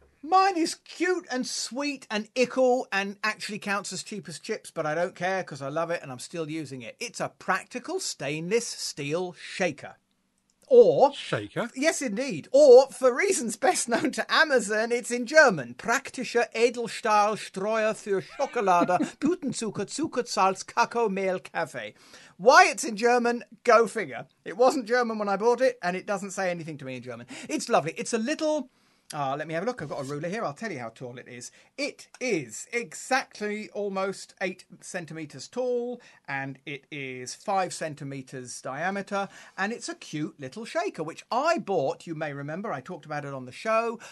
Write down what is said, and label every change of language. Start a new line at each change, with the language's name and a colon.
English: Mine is cute and sweet and ickle and actually counts as cheap as chips, but I don't care because I love it and I'm still using it. It's a practical stainless steel shaker. Or... shaker? Yes, indeed. Or, for reasons best known to Amazon, it's in German.
German: Praktischer Edelstahl Streuer für Schokolade, Butenzucker, Zuckersalz, Kakao, Mehl, Kaffee.
English: Why it's in German, go figure. It wasn't German when I bought it, and it doesn't say anything to me in German. It's lovely. It's a little... ah, let me have a look. I've got a ruler here. I'll tell you how tall it is. It is exactly almost 8 centimetres tall, and it is 5 centimetres diameter, and it's a cute little shaker, which I bought, you may remember, I talked about it on the show.